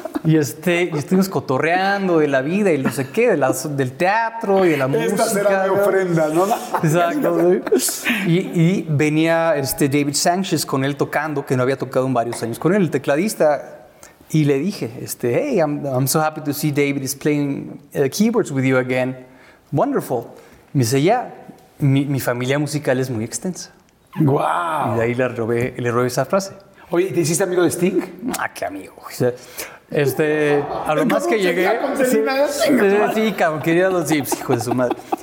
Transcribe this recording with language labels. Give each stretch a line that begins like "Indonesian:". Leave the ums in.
Spanish: Y, este, y estuvimos cotorreando de la vida y no sé qué, de las- del teatro y de la música. Esta será mi ofrenda, ¿no? Exacto. güey. Y, y venía este David Sanchez con él tocando, que no había tocado en varios años con él, el tecladista. Y le dije, este,
English: hey, I'm, I'm so happy to see David is playing uh, keyboards with you again. Wonderful.
Spanish: Me dice, ya, mi, mi familia musical es muy extensa. Y ¡Guau! de ahí le robé, le robé esa frase. Oye, ¿te hiciste amigo de Sting? Ah, qué amigo. O sea, este, a lo más que llegué. Sí, sí, cabrón, quería los Jeeps, hijo de su madre.